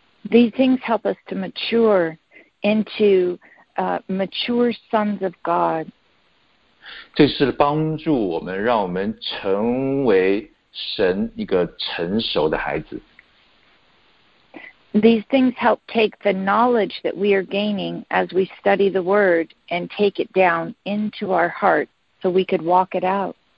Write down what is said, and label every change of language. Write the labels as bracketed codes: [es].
[en] These things help us to mature into mature sons of God. [zh] 这是帮助我们，让我们成为神一个成熟的孩子。 [en] These things help take the knowledge that we are gaining as we study the word and take it down into our heart so we could walk it out.